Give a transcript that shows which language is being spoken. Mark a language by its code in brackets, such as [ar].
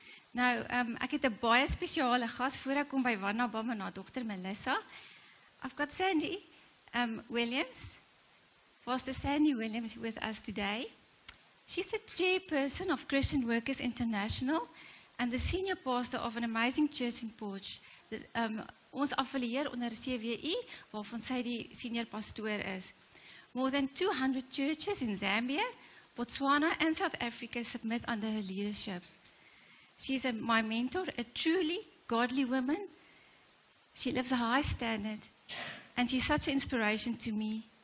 [af] Nou, ek het 'n baie spesiale gas voor ek kom by Wanda Bama na dokter Melissa. [en] I've got Sandy Williams. Foster Sandy Williams with us today. She's the chairperson of Christian Workers International and the senior pastor of an amazing church in Porch. [af] Ons affilieer onder CWI, waarvan sy die senior pastoor is. [en] More than 200 churches in Zambia, Botswana and South Africa submit under her leadership. She's my mentor, a truly godly woman. She lives a high standard and she's such an inspiration to me.